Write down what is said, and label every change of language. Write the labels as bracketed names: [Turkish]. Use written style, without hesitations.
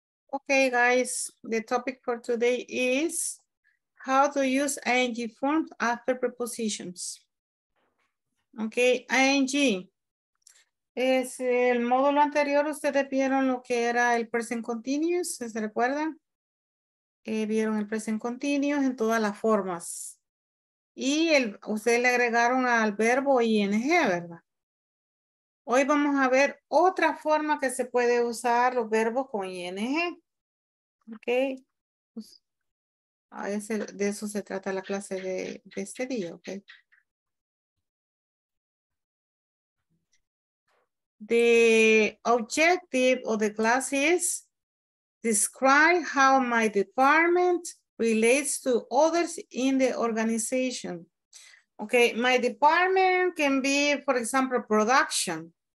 [English] Okay, guys, the topic for today is how to use ing forms after prepositions. Okay, ing. [Spanish] Es el módulo anterior, ustedes vieron lo que era el present continuous, ¿se recuerdan? Vieron el present continuous en todas las formas. Y ustedes le agregaron al verbo ing, ¿verdad? Hoy vamos a ver otra forma que se puede usar los verbos con ing. ¿Ok? Pues, de eso se trata la clase de este día, ¿ok? [English] The objective of the class is describe how my department relates to others in the organization. Okay, my department can be, for example, production.